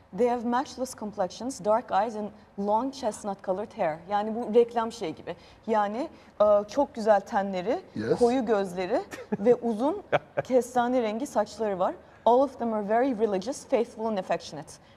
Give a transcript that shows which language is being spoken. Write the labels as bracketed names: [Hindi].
[English] They have matchless complexions, dark eyes and long chestnut colored hair. [Turkish] Yani bu reklam şeyi gibi. Yani çok güzel tenleri, koyu gözleri ve uzun kestane rengi saçları var. [English] All of them are very religious, faithful and affectionate.